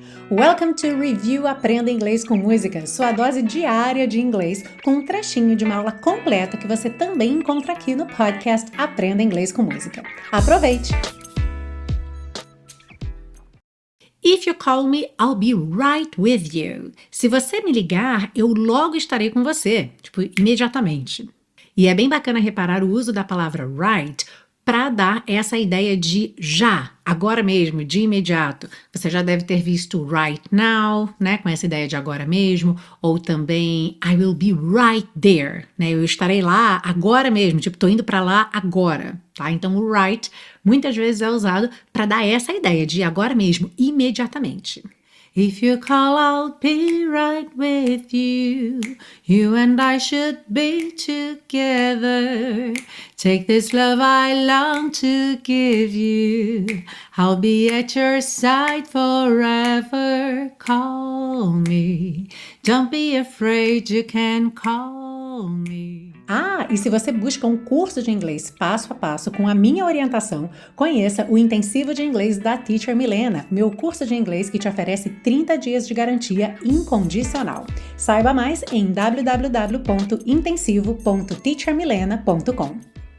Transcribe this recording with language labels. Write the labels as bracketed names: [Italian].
[English] Welcome to [Portuguese] Review Aprenda Inglês com Música, sua dose diária de inglês, com um trechinho de uma aula completa que você também encontra aqui no podcast Aprenda Inglês com Música. Aproveite! [English] If you call me, I'll be right with you. [Portuguese] Se você me ligar, eu logo estarei com você, tipo, imediatamente. E é bem bacana reparar o uso da palavra right para dar essa ideia de já, agora mesmo, de imediato. Você já deve ter visto [English] right now, [Portuguese] né, com essa ideia de agora mesmo, ou também [English] I will be right there, [Portuguese] né, eu estarei lá agora mesmo, tipo, tô indo para lá agora, tá? Então, o right muitas vezes é usado para dar essa ideia de agora mesmo, imediatamente. [English] If you call, I'll be right with you. You and I should be together. Take this love I long to give you. I'll be at your side forever. Call me. Don't be afraid, you can call me. [Portuguese] Ah, e se você busca um curso de inglês passo a passo com a minha orientação, conheça o Intensivo de Inglês da Teacher Milena, meu curso de inglês que te oferece 30 dias de garantia incondicional. Saiba mais em www.intensivo.teachermilena.com.